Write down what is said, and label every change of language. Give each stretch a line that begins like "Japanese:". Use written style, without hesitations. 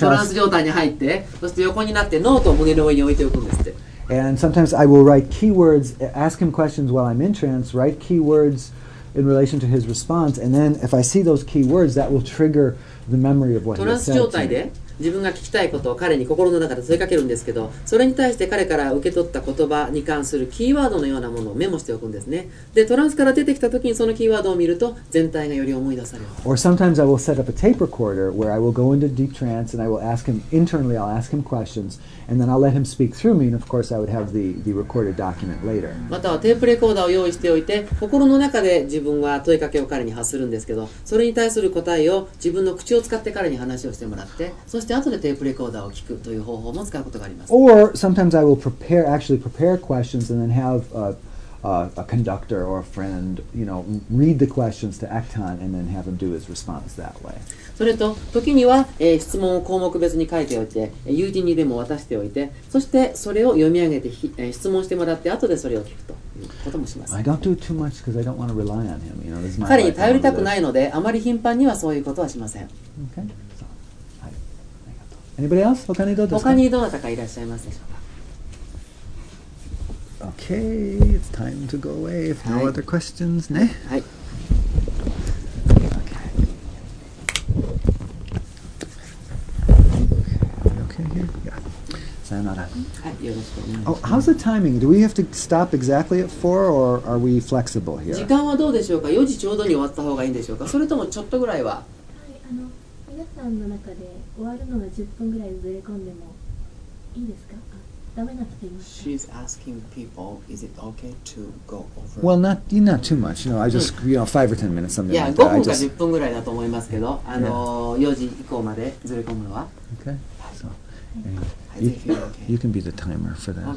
Japanese: トランス状態に入って、そして横になってノートを胸の上に置いておくんですって。
English: And sometimes I will write keywords, ask him questions while I'm in trance, write keywords in relation to his response, and then if I see those keywords, that will trigger the memory of what he said.
Japanese: トランス状態で自分が聞きたいことを彼に心の中で問いかけるんですけど、それに対して彼から受け取った言葉に関するキーワードのようなものをメモしておくんですね。で、トランスから出てきた時にそのキーワードを見ると全体がより思い出される。
English: Or sometimes I will set up a tape recorder where I will go into deep trance and I will ask him internally, I'll ask him questions and then I'll let him speak through me and of course I would have the recorded document later.
Japanese: またはテープレコーダーを用意しておいて、心の中で自分は問いかけを彼に発するんですけど、それに対する答えを自分の口を使って彼に話をしてもらって、そして後でテープレコーダーを聞くという方法も使うことがあります。
English: Or sometimes I will actually prepare questions and then have a conductor or a friend, you know, read the questions to Ekton and then have him do his response that way.
Japanese: それと時には、質問を項目別に書いておいて、友人にでも渡しておいて、そしてそれを読み上げて、質問してもらって後でそれを聞くということもします。
English: I don't do too much because I don't want to rely on him. You know, this is my
Japanese: 彼に頼りたくないので、あまり頻繁にはそういうことはしません。
English: Okay. Anybody else?
Japanese: 他にどうですか？他にどなたかいらっしゃいますでしょうか？
English: Okay, it's time to go away. If no other questions, ね。
Japanese: はい。
English: Okay. Okay here. Yeah.
Japanese: さよなら。はい、よろしくお願いします
English: 。 Oh, how's the timing? Do we have to stop exactly at 4 or are we flexible here?
Japanese: 時間はどうでしょうか？4時ちょうどに終わった方がいいんでしょうか？それともちょっとぐらいは？はい、皆さんの中で終わるのが10分ぐらいずれ込んでもいいですか？あ、ダメな人いますか？
English: She's asking people, is it okay to go over? Well, not too much. You know, I just, you know, 5 or 10 minutes, something
Japanese: いや、5分か10分ぐらいだと思いますけど、4時以降までずれ込むのは。
English: Okay. So, you can be the timer for that.